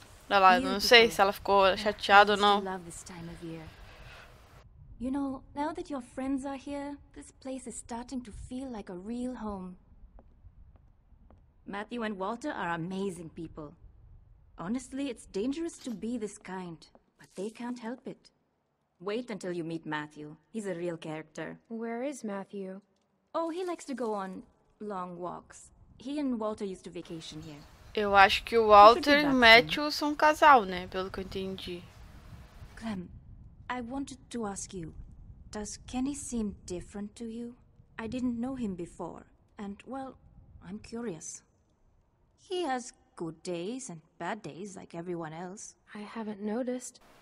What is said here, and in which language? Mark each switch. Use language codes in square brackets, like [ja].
[pt] Olha lá, eu não sei se ela ficou chateada ou não. [en] You know, now that your friends are here, this place is starting to feel like a real home. Matthew and Walter are amazing people. Honestly, it's dangerous to be this kind, but they can't help it. Wait until you meet Matthew. He's a real character. Where is Matthew? Oh, he likes to go on long walks. He and Walter used to vacation here. [pt] Eu acho que o Walter e o Matthew são um casal, né? Pelo que eu entendi. [en] Clem, I wanted to ask you, does Kenny seem different to you? I didn't know him before, and well... I'm curious. He has good days and bad days, like everyone else. I haven't noticed.